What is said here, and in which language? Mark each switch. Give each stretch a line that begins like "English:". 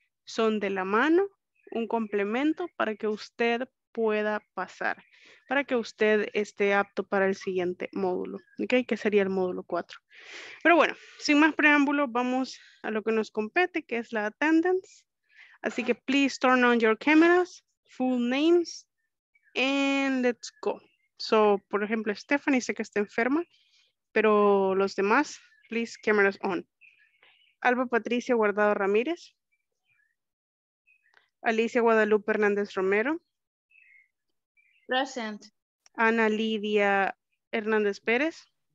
Spanish: son de la mano, un complemento para que usted pueda pasar, para que usted esté apto para el siguiente módulo, ¿okay? Que sería el módulo 4. Pero bueno, sin más preámbulo, vamos a lo que nos compete, que es la attendance. Así que
English: please turn on your cameras, full names, and let's go.
Spanish: So, por ejemplo, Stephanie, sé que está enferma, pero los demás,
English: please, cameras on.
Spanish: Alba Patricia Guardado Ramírez. Alicia Guadalupe Hernández Romero.
English: Present.
Spanish: Ana Lidia Hernández Pérez.